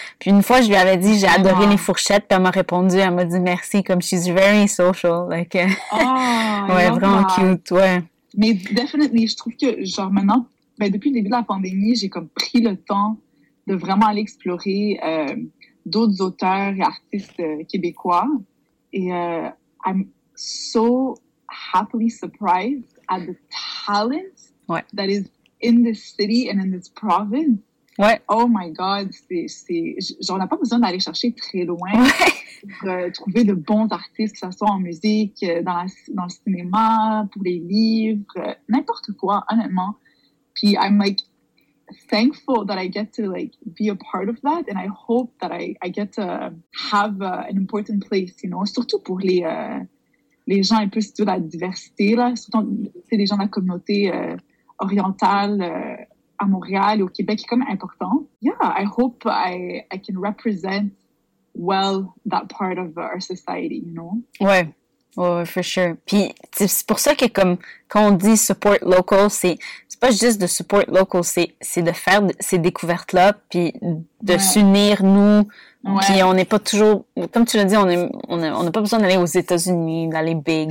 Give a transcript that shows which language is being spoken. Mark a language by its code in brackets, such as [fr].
[fr] Puis une fois, je lui avais dit, j'ai adoré Les Fourchettes. Puis elle m'a répondu, elle m'a dit merci, [en] comme she's very social. Like, oh, [fr] ouais, vraiment [en] that. Cute, ouais. [fr] Mais definitely, je trouve que, genre maintenant, ben, depuis le début de la pandémie, j'ai comme pris le temps de vraiment aller explorer d'autres auteurs et artistes québécois. [en] Et I'm so happily surprised at the talent that is in this city and in this province. [fr] Ouais. Oh my God, c'est genre, on n'a pas besoin d'aller chercher très loin pour trouver de bons artistes, que ce soit en musique, dans le cinéma, pour les livres, n'importe quoi, honnêtement. Puis [en] I'm like, thankful that I get to like be a part of that, and I hope that I get to have an important place, you know, [fr] surtout pour les gens un peu de la diversité là, surtout c'est les gens de la communauté orientale à Montréal et au Québec, qui est quand même important. [en] Yeah, I hope I can represent well that part of our society, you know. Ouais. Oh, for sure. [fr] Puis c'est pour ça que comme quand on dit support local, c'est pas juste de support local, c'est de faire ces découvertes là, puis de s'unir nous. Ouais. Puis on n'est pas toujours, comme tu l'as dit, on a pas besoin d'aller aux États-Unis, d'aller big.